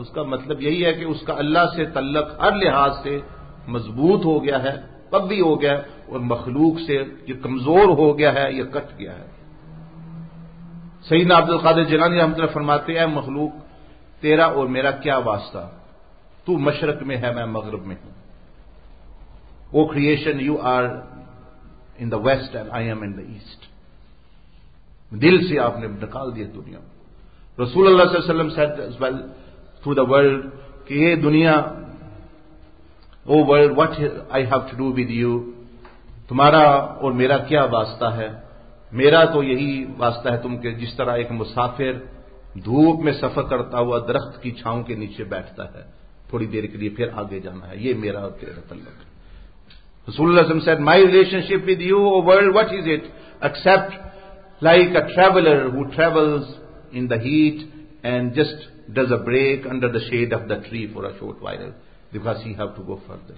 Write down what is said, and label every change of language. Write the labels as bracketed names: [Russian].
[Urdu] اس کا مطلب یہی ہے کہ اس کا اللہ سے تعلق ہر لحاظ سے مضبوط ہو گیا ہے, قوی ہو گیا ہے, اور مخلوق سے جو کمزور ہو گیا ہے یا کٹ گیا ہے. سیدنا عبد القادر جیلانی رحمۃ اللہ فرماتے ہیں, اے مخلوق تیرا اور میرا کیا واسطہ, تو مشرق میں ہے میں مغرب میں ہوں. [English] O creation you are in the west and I am in the east. [Urdu] دل سے آپ نے نکال دیا دنیا. [English] رسول اللہ صلی اللہ علیہ وسلم said as well through the world [Urdu] کہ اے دنیا, [English] O world what I have to do with you, [Urdu] تمہارا اور میرا کیا واسطہ ہے. میرا تو یہی واسطہ ہے تم کے جس طرح ایک مسافر دھوپ میں سفر کرتا ہوا درخت کی چھاؤں کے نیچے بیٹھتا ہے تھوڑی دیر کے لیے, پھر آگے جانا ہے, یہ میرا اور تیرا تعلق ہے. [English] رسول اللہ صلی اللہ علیہ وسلم said, my relationship with you, O world, what is it? Except like a traveler who travels in the heat and just does a break under the shade of the tree for a short while because he have to go further.